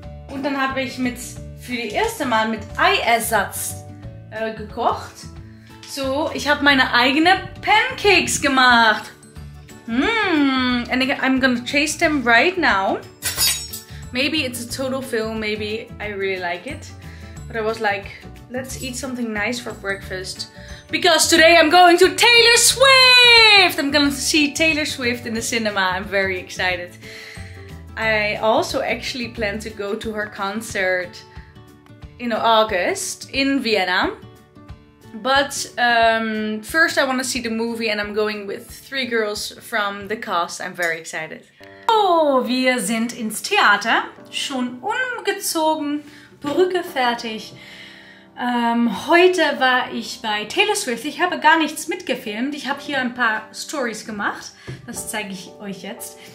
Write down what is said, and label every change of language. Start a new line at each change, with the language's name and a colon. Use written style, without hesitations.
German: Und dann habe ich mit für die erste Mal mit Eiersatz gekocht. So, ich habe meine eigene Pancakes gemacht.
English: Mmm, and I'm gonna taste them right now. Maybe it's a total fail, maybe I really like it. But I was like, let's eat something nice for breakfast. Because today I'm going to Taylor Swift! I'm gonna see Taylor Swift in the cinema, I'm very excited. I also actually plan to go to her concert in August in Vienna. But first I want to see the movie and I'm going with 3 girls from the cast. I'm very excited.
German: Oh, wir sind ins Theater, schon umgezogen, Perücke fertig. Heute war ich bei Taylor Swift. Ich habe gar nichts mitgefilmt. Ich habe hier ein paar Stories gemacht. Das zeige ich euch jetzt.